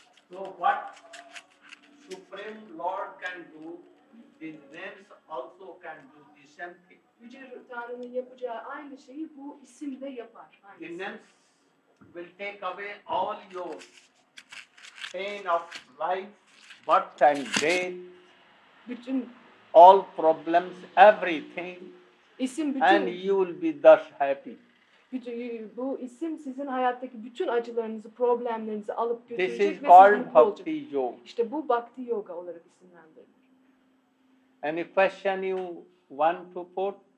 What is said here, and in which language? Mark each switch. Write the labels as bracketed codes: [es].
[en] So what Supreme Lord can do, the names also can do the same thing. [tr] Yüce Tanrı'nın yapacağı aynı şeyi bu isim de yapar. [en] The names will take away all your pain of life, birth and death, [tr] bütün [en] all problems, everything, [tr] isim bütün, [en] and you will be thus happy. [tr] Bu isim sizin hayattaki bütün acılarınızı, problemlerinizi alıp götürecek [en] this [tr] ve sizi mutlu olacak. Bhakti yoga. İşte bu Bhakti Yoga olarak isimlendirilir. [en] Any question you want to put?